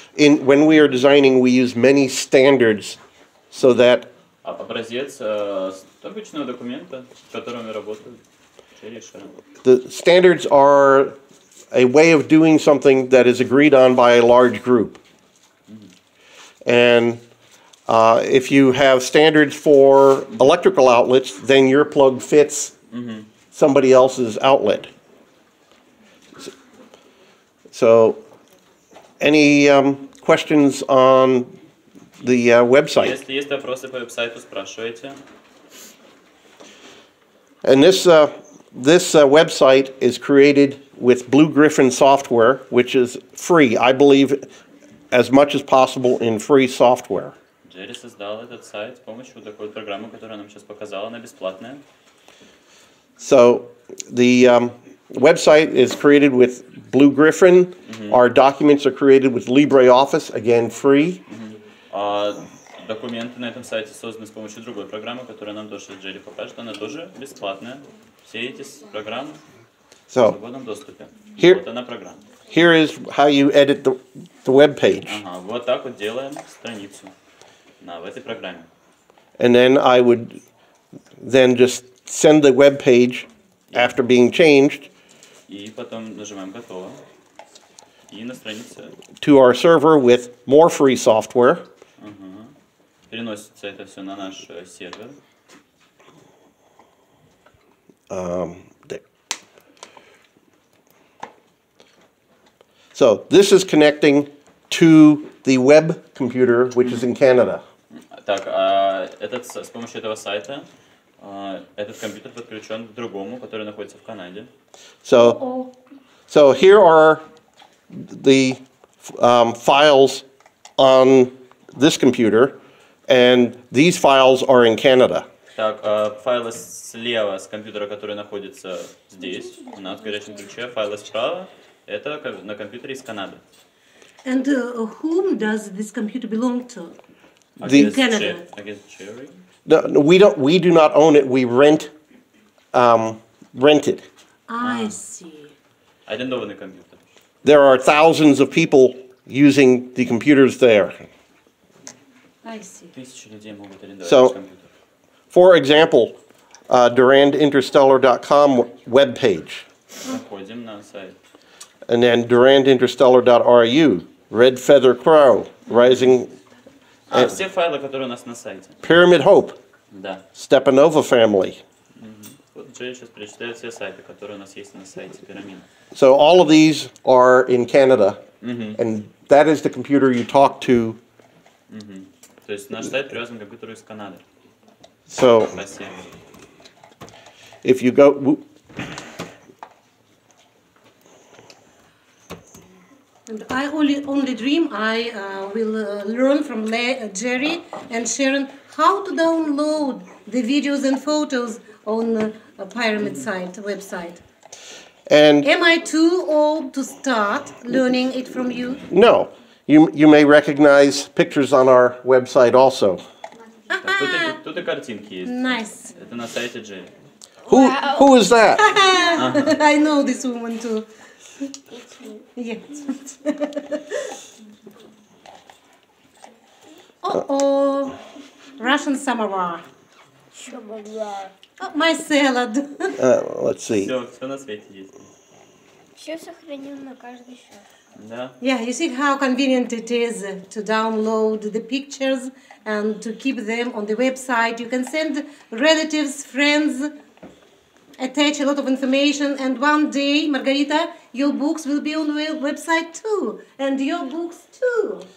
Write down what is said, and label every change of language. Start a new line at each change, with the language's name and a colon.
English: When we are designing, we use many standards so that...
Russian: Образец обычного документа, с которым мы работаем.
English: The standards are a way of doing something that is agreed on by a large group. Mm-hmm. And if you have standards for electrical outlets, then your plug fits mm-hmm. somebody else's outlet. So, any questions on the website?
Russian: Если есть вопросы по веб-сайту, спрашивайте.
English: And this website is created with Blue Griffin software, which is free. I believe as much as possible in free software.
Russian: Джерри создал этот сайт с помощью такой программы, которую нам сейчас показала, она бесплатная.
English: So, the website is created with Blue Griffin. Mm-hmm. Our documents are created with LibreOffice, again free. Mm-hmm.
Russian: Документы на этом сайте созданы с помощью другой программы, которая нам тоже Джерри покажет. Она тоже бесплатная. Все эти программы
English: so,
Russian: в свободном доступе.
English: Here,
Russian: вот она программа.
English: Here is how you edit the web page.
Russian: Ага, вот так вот делаем страницу в этой программе.
English: And then I would then just send the web page after being changed to our server with more free software.
Russian: Переносится это все на наш сервер.
English: So this is connecting to the web computer, which is in Canada.
Russian: Так, с помощью этого сайта. Этот компьютер подключен к другому, который находится в Канаде.
English: So here are the files on this computer, and these files are in Canada.
Russian: Так, файлы слева с компьютера, который находится здесь, у нас в горячем ключе, файлы справа, это на компьютере из Канады.
English: And whom does this computer belong to? The Canada. I guess Jerry. No, we do not own it. We rent it. I see. I didn't own the computer. There are thousands of people using the computers there. I see. So, for example, durandinterstellar.com webpage. And then durandinterstellar.ru, Red Feather Crow, Rising...
Russian: Все файлы, которые у нас на сайте.
English: Pyramid Hope.
Russian: Да.
English: Stepanova family. Mm-hmm.
Russian: сейчас перечитает все сайты, которые у нас есть на сайте Pyramid.
English: So all of these are in Canada, mm-hmm. and that is the computer you talk to.
Russian: Mm-hmm. То есть наш сайт привязан к компьютеру из Канады.
English: So, if you go... And I only dream I will learn from Jerry and Sharon how to download the videos and photos on the Pyramid site, website. And am I too old to start learning it from you? No. You may recognize pictures on our website also.
Russian: Тут и картинки есть.
English: Nice.
Russian: Это на сайте Джерри.
English: Who is that? I know this woman too. It's me. Yeah. Uh-oh. Russian samovar. Oh, my salad. Let's see.
Russian: Все на свете есть. Все сохранено на каждый счет. Да.
English: Yeah, you see how convenient it is to download the pictures and to keep them on the website. You can send relatives, friends, attach a lot of information, and one day, Margarita, your books will be on the website too, and your books too.